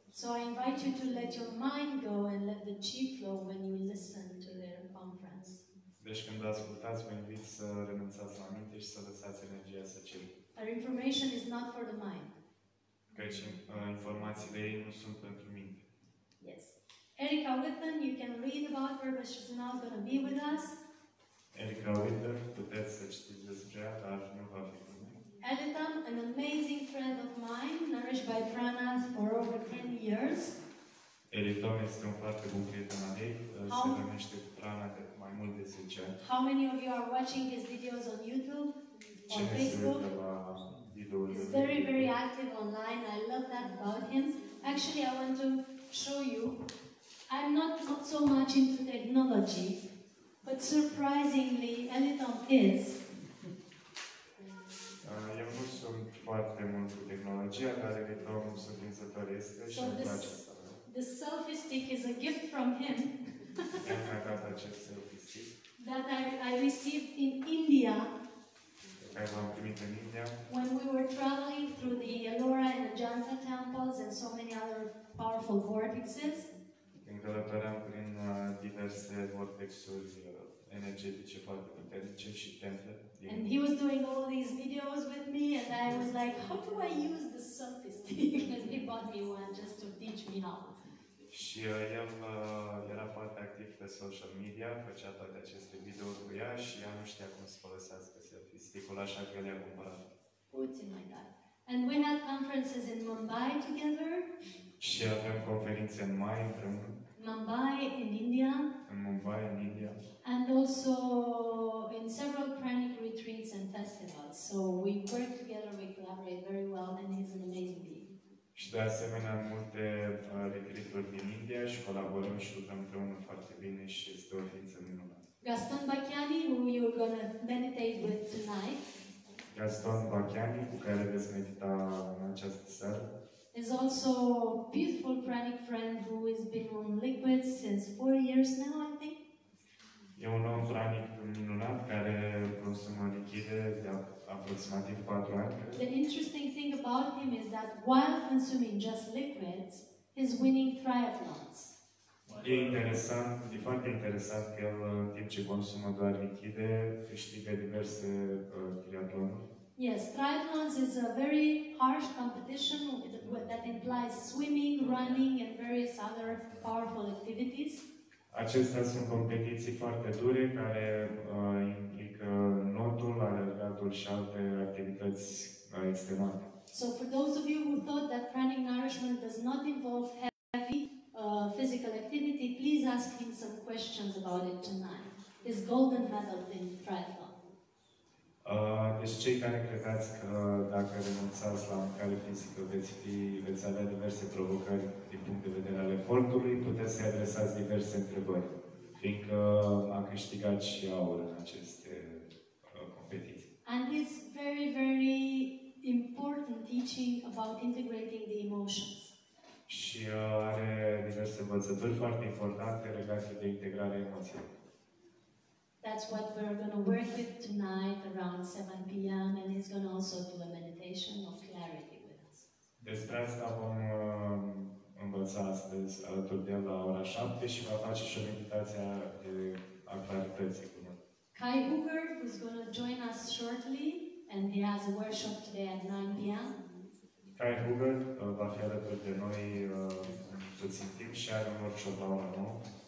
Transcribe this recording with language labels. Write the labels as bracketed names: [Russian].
[English] So I invite you to let your mind go and let the chi flow when you listen to their conference. [Romanian] Deci când ascultați, vă invit să renunțați la minte și să lăsați energia să circule. [English] Our information is not for the mind. [Romanian] Căci informațiile ei nu sunt pentru minte. [English] Yes. Erica Whitman, you can read about her, but she's not going to be with us. [Romanian] Erica Whitman, puteți să citiți despre ea, dar nu va fi. [English] Editam, an amazing friend of mine, nourished by Pranas for over 10 years. [Romanian] Editam este un foarte bun prieten al ei, se numește Prana de mai mult de 10 ani. [English] How many of you are watching his videos on YouTube, on Facebook? He's very, very active online, I love that about him. Actually, I want to show you, I'm not so much into technology, but surprisingly, Editam is. [Romanian] Eu nu sunt foarte mult cu tehnologia, dar Editam surprinzător este și îmi place asta. [English] The selfie stick is a gift from him. [Romanian] I-a dat acest selfie stick. [English] That I received in India. [Romanian] Care l-am primit în India. [English] When we were traveling through the Ellora and Ajanta temples and so many other powerful vortexes. [Romanian] Când călătoream prin diverse vortexuri energetice foarte puternice și temple. [English] And he was doing all these videos with me, and I was like, how do I use the selfie stick? And he bought me one just to teach me how. [Romanian] Și el era foarte activ pe social media, făcea toate aceste videouri cu ea și ea nu știa cum să folosească selfie stick-ul, așa că le-a cumpărat. Puțin mai tare. [English] And we had conferences in Mumbai together. [Romanian] Și avem conferințe în Mumbai împreună. [English] Mumbai in India. In Mumbai in India. And also in several Pranic retreats and festivals. So we work together, we collaborate very well, and he's an amazing being. [Romanian] Și de asemenea, multe retreat-uri din India și colaborăm și lucrăm împreună foarte bine și este o ființă minunată. [English] Gaston Bachiani, who you're gonna meditate with tonight. [Romanian] Gaston Bachiani, cu care veți medita în această seară. [English] Is also a beautiful Pranic friend who has been on liquids since 4 years now, I think. [Romanian] E un om Pranic minunat care consumă lichide de aproximativ 4 ani. [English] The interesting thing about him is that while consuming just liquids, he's winning triathlons. [Romanian] E interesant, e foarte interesant că el, în timp ce consumă doar lichide, câștigă diverse triathlonuri. [English] Yes, triathlons is a very harsh competition that implies swimming, running and various other powerful activities. [Romanian] Acestea sunt competiții foarte dure care implică notul, alergatul și alte activități extremate. [English] So for those of you who thought that Pranic nourishment does not involve heavy physical activity, please ask him some questions about it tonight. His golden medal in triathlon. [Romanian] Deci cei care credeți că dacă renunțați la mâncare fizică veți avea diverse provocări din punct de vedere al efortului, puteți să-i adresați diverse întrebări, fiindcă a câștigat și aur în aceste competiții. [English] And it's very, very important teaching about integrating the emotions. [Romanian] Și are diverse învățături foarte importante legate de integrarea emoțiilor. [English] That's what we're going to work with tonight around 7 p.m. and he's going to also do a meditation of clarity with us. [Romanian] Despre asta vom învăța astăzi alături de el la ora 7 și va face și o meditație a clarității cu noi. [English] Kai Hooker, who's going to join us shortly, and he has a workshop today at 9 p.m. [Romanian] Kai Hooker va fi alături de noi puțin timp și are un workshop la ora 9.